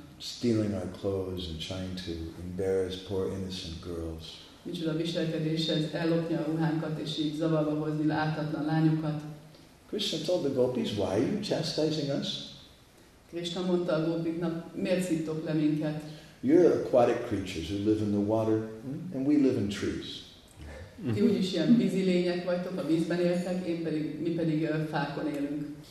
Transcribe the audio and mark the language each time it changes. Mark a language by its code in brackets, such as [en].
[en] Stealing our clothes and trying to embarrass poor innocent girls. [hu] Micsoda viselkedés ez, ellopni a ruhánkat és így zavarba hozni ártatlan lányokat. [en] Krishna told the gopis, why are you chastising us? [hu] Krishna mondta a gopiknak, miért szittok le minket? [en] You're aquatic creatures who live in the water, and we live in trees. [hu] Ti úgyis ilyen vízi lények vagytok, a vízben éltek, mi pedig fákon élünk.